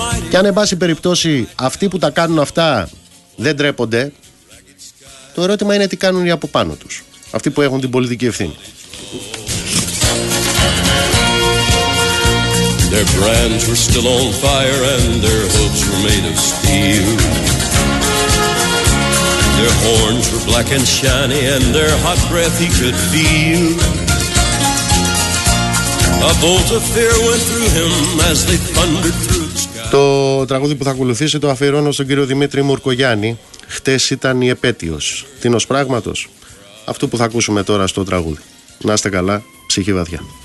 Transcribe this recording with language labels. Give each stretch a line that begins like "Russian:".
Greek: Και αν εν πάση περιπτώσει αυτοί που τα κάνουν αυτά δεν τρέπονται, το ερώτημα είναι τι κάνουν οι από πάνω τους, αυτοί που έχουν την πολιτική ευθύνη.
English: Their brands were still on fire and their hooves were made of steel. Their horns were black and shiny and their hot breath he could feel. A bolt of fear went through him as they thundered through.
Greek: Το τραγούδι που θα ακολουθήσει το αφιερώνω στον κύριο Δημήτρη Μουρκογιάννη. Χτες ήταν η επέτειος. Τίνος πράγματος. αυτό που θα ακούσουμε τώρα στο τραγούδι. Να είστε καλά, ψυχή βαθιά.